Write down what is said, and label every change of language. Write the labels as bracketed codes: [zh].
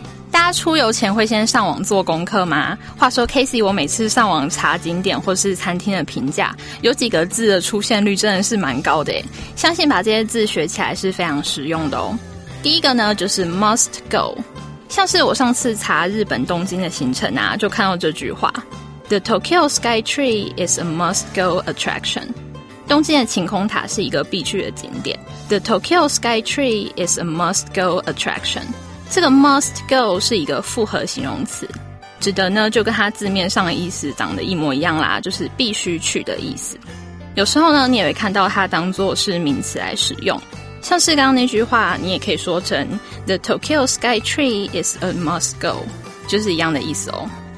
[zh] 大家出游前会先上网做功课吗？话说 Casey， 我每次上网查景点或是餐厅的评价，有几个字的出现率真的是蛮高的耶，相信把这些字学起来是非常实用的哦。第一个呢，就是 must go， 像是我上次查日本东京的行程啊，就看到这句话 ： [en] The Tokyo Sky Tree is a must go attraction。 [zh] 东京的晴空塔是一个必去的景点。 [en] The Tokyo Sky Tree is a must-go attraction. [zh] 这个 must-go 是一个复合形容词，指的呢就跟它字面上的意思长得一模一样啦，就是必须去的意思。有时候呢，你也会看到它当作是名词来使用，像是刚刚那句话，你也可以说成 [en] The Tokyo Sky Tree is a must-go， [zh] 就是一样的意思哦。